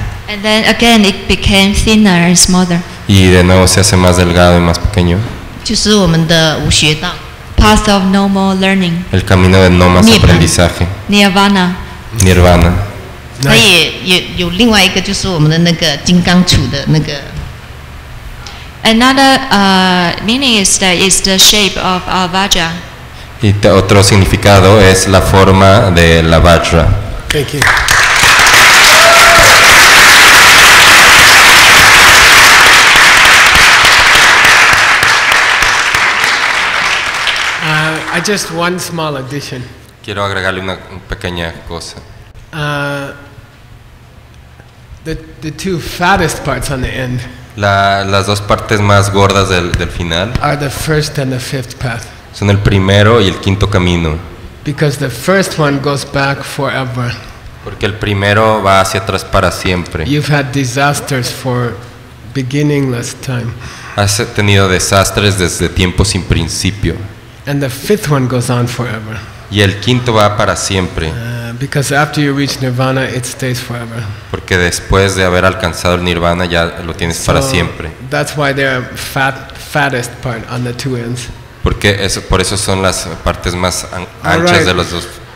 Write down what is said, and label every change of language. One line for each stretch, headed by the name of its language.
English: And then again it became thinner and smaller.
Spanish: Y de nuevo se hace más delgado y más pequeño.
Chinese: 就是我们的无学道。
English: Path of no more learning.
Spanish: El camino de no más aprendizaje.
English: Nirvana.
Spanish: Nirvana.
Chinese: 它也有另外一个，就是我们的那个金刚杵的那个。
English: Another meaning is that it's the shape of our vajra.
Spanish: Y otro significado es la forma de la vajra.
English: Thank you. I just one small addition.
Spanish: Quiero agregarle una pequeña cosa.
English: The two fattest parts on the end.
Spanish: Las dos partes más gordas del final
English: are the first and the fifth path.
Spanish: Son el primero y el quinto camino.
English: Because the first one goes back forever.
Spanish: Porque el primero va hacia atrás para siempre.
English: You've had disasters for beginningless time.
Spanish: Has tenido desastres desde tiempo sin principio.
English: And the fifth one goes on forever.
Spanish: Y el quinto va para siempre.
English: Because after you reach nirvana, it stays forever.
Spanish: Porque después de haber alcanzado el nirvana, ya lo tienes para siempre.
English: That's why they're fattest part on the two ends.
Spanish: Porque eso, por eso son las partes más anchas de los dos extremos.